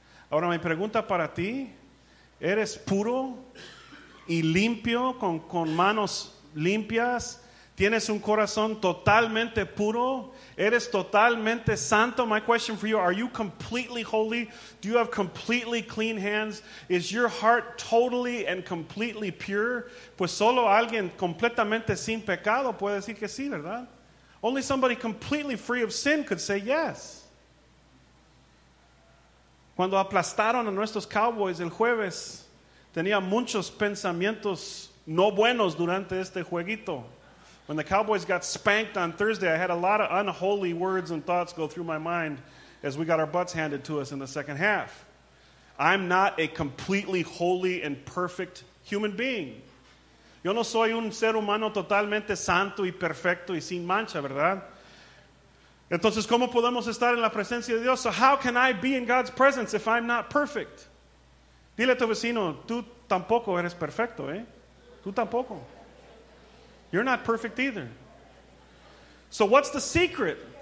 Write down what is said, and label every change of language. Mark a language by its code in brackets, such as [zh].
[es] Ahora mi pregunta para ti, ¿eres puro y limpio con manos limpias? ¿Tienes un corazón totalmente puro? ¿Eres totalmente santo? [en] My question for you, are you completely holy? Do you have completely clean hands? Is your heart totally and completely pure? [es] Pues solo alguien completamente sin pecado puede decir que sí, ¿verdad? [en] Only somebody completely free of sin could say yes. [es] Cuando aplastaron a nuestros Cowboys el jueves, tenía muchos pensamientos no buenos durante este jueguito. [en] When the Cowboys got spanked on Thursday, I had a lot of unholy words and thoughts go through my mind as we got our butts handed to us in the second half. I'm not a completely holy and perfect human being. [es] Yo no soy un ser humano totalmente santo y perfecto y sin mancha, ¿verdad? Entonces, ¿cómo podemos estar en la presencia de Dios? [en] So how can I be in God's presence if I'm not perfect? [es] Dile a tu vecino, tú tampoco eres perfecto, ¿eh? Tú tampoco. [en] You're not perfect either. So what's the secret?